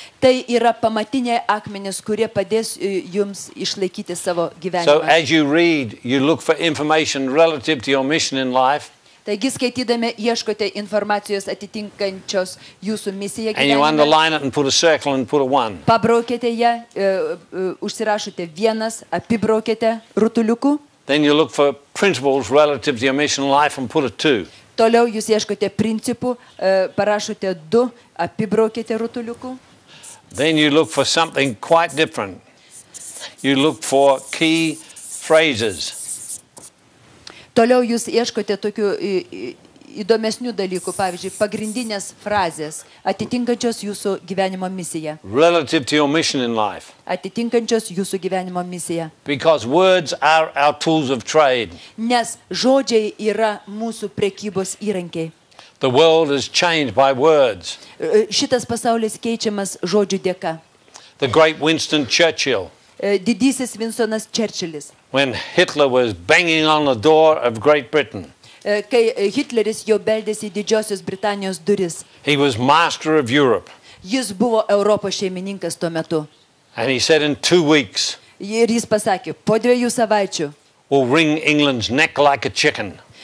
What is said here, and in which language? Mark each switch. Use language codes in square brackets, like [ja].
[lt] Tai yra pamatiniai akmenys, kurie padės jums išlaikyti savo gyvenimą. [en] So as you read, you look for information relative to your mission in life. [lt] Taigi skaitydami ieškote informacijos atitinkančios jūsų misiją gyvenime. [en] And you underline it and put a circle and put a one. [lt] Pabraukite ją, užsirašote vienas, apibraukite rutuliuku. [en] Then you look for principles relative to your mission life and put a two. [lt] Toliau jūs ieškote principų, parašote du, apibraukite rutuliuku. [en] Then you look for something quite different. You look for key phrases. [lt] Toliau jūs ieškote tokių įdomesnių dalykų, pavyzdžiui, pagrindinės frazės, atitinkančios jūsų gyvenimo misiją. [en] Relative to your mission in life. [lt] Atitinkančios jūsų gyvenimo misiją. [en] Because words are our tools of trade. [lt] Nes žodžiai yra mūsų prekybos įrankiai. [en] The world is changed by words. [lt] Šitas pasaulis keičiamas žodžių dėka. [en] The great Winston Churchill. [lt] Didysis Vinstonas Čerčilis. [en] When Hitler was banging on the door of Great Britain. [lt] Kai Hitleris jau beldėsi Didžiosios Britanijos duris. [en] He was master of Europe. [lt] Jis buvo Europos šeimininkas tuo metu. [en] And he said in 2 weeks. [lt] Ir jis pasakė, po 2 savaičių. [en] We'll wring England's neck like a chicken.